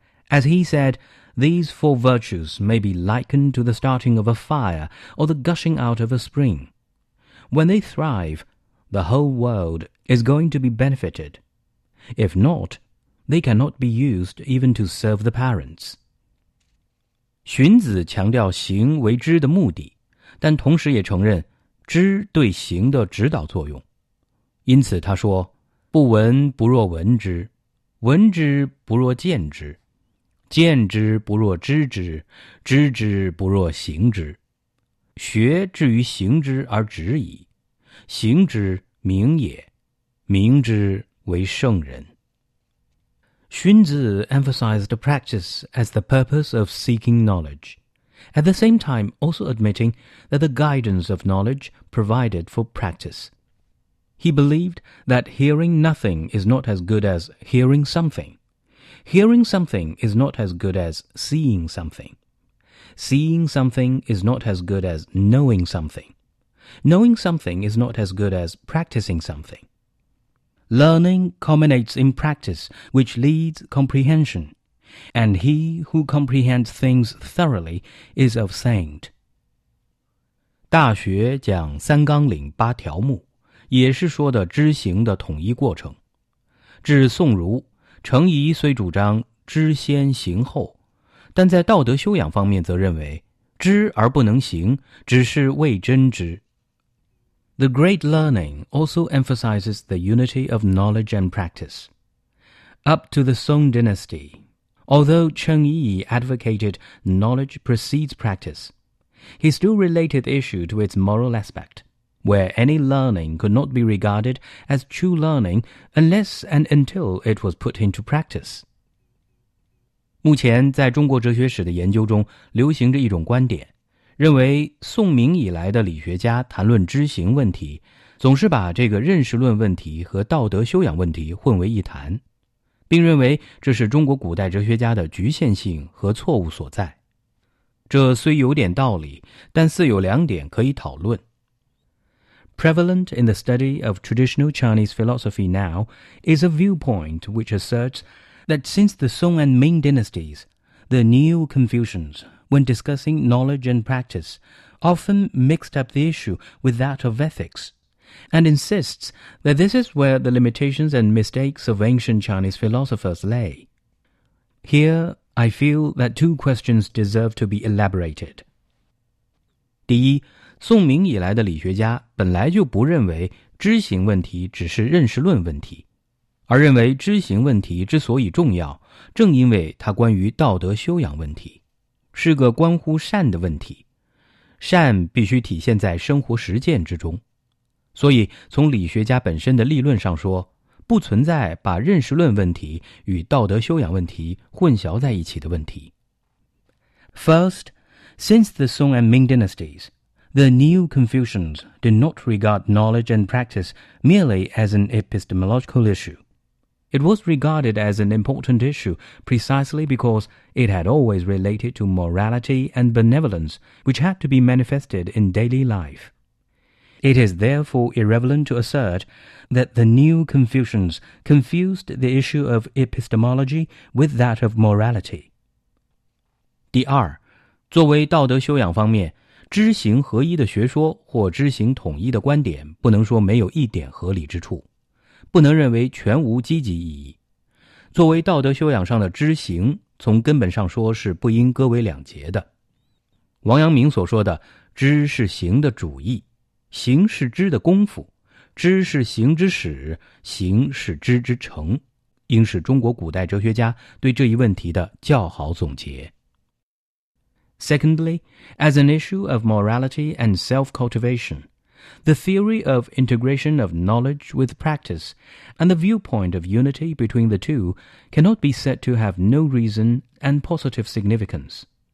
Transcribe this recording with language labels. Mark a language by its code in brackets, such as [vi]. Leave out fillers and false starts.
[en] As he said, these four virtues may be likened to the starting of a fire or the gushing out of a spring. When they thrive, the whole world is going to be benefited. If not, they cannot be used even to serve the parents. [zh] 荀子强调行为知的目的，但同时也承认知对行的指导作用。因此他说，不闻不若闻之，闻之不若见之，见之不若知之，知之不若行之。学至于行之而止矣，行之明也，明之为圣人。 [en] 荀子emphasized practice as the purpose of seeking knowledge, at the same time also admitting that the guidance of knowledge provided for practice. He believed that hearing nothing is not as good as hearing something. Hearing something is not as good as seeing something. Seeing something is not as good as knowing something. Knowing something is not as good as practicing something. Learning culminates in practice, which leads comprehension, and he who comprehends things thoroughly is of saint. [zh] 大学讲三纲领八条目，也是说的知行的统一过程。至宋儒，程颐虽主张知先行后，但在道德修养方面则认为知而不能行，只是未真知。 [en] The great learning also emphasizes the unity of knowledge and practice. Up to the Song dynasty, although Cheng Yi advocated knowledge precedes practice, he still related the issue to its moral aspect, where any learning could not be regarded as true learning unless and until it was put into practice. [zh] 目前在中国哲学史的研究中流行着一种观点，认为宋明以来的理学家谈论知行问题，总是把这个认识论问题和道德修养问题混为一谈，并认为这是中国古代哲学家的局限性和错误所在。这虽有点道理，但似有两点可以讨论。 [en] Prevalent in the study of traditional Chinese philosophy now is a viewpoint which asserts that since the Song and Ming dynasties, the new Confucians, when discussing knowledge and practice, often mixed up the issue with that of ethics, and insists that this is where the limitations and mistakes of ancient Chinese philosophers lay. Here, I feel that two questions deserve to be elaborated. [zh] 第一，宋明以来的理学家本来就不认为知行问题只是认识论问题，而认为知行问题之所以重要，正因为它关于道德修养问题，是个关乎善的问题，善必须体现在生活实践之中。所以从理学家本身的立论上说，不存在把认识论问题与道德修养问题混淆在一起的问题。 [en] First, since the Song and Ming dynastiesThe new Confucians did not regard knowledge and practice merely as an epistemological issue. It was regarded as an important issue precisely because it had always related to morality and benevolence which had to be manifested in daily life. It is therefore irrelevant to assert that the new Confucians confused the issue of epistemology with that of morality. [zh] 第二，作为道德修养方面，知行合一的学说或知行统一的观点不能说没有一点合理之处，不能认为全无积极意义。作为道德修养上的知行，从根本上说是不应割为两截的。王阳明所说的知是行的主意，行是知的功夫，知是行之始，行是知之成，应是中国古代哲学家对这一问题的较好总结。 [en] Secondly, as an issue of morality and self-cultivation, the theory of integration of knowledge with practice and the viewpoint of unity between the two cannot be said to have no reason and positive significance.